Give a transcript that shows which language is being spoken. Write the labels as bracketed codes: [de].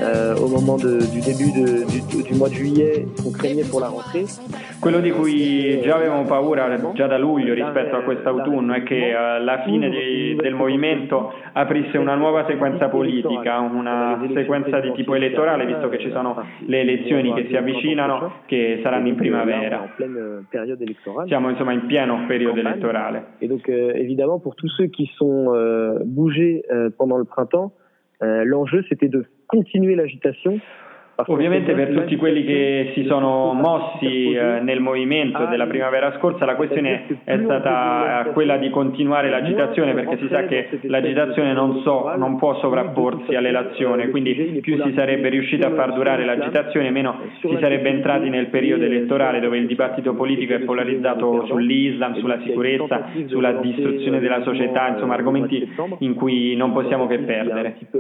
[fr] au moment du début du mois de juillet, qu'on craignait pour la rentrée. [it] Quello di cui già avevamo paura già da luglio rispetto a quest'autunno è che la fine del movimento aprisse una nuova sequenza politica, una sequenza di tipo elettorale, visto che ci sono le elezioni che si avvicinano, che saranno in primavera. Siamo insomma in pieno periodo elettorale. [fr] E donc évidemment pour tous ceux qui sont bougés pendant le printemps, l'enjeu c'était de continuer l'agitation. [it] Ovviamente per tutti quelli che si sono mossi nel movimento della primavera scorsa, la questione è stata quella di continuare l'agitazione, perché si sa che l'agitazione non può sovrapporsi all'elezione, quindi più si sarebbe riuscito a far durare l'agitazione, meno si sarebbe entrati nel periodo elettorale, dove il dibattito politico è polarizzato sull'Islam, sulla sicurezza, sulla distruzione della società, insomma argomenti in cui non possiamo che perdere.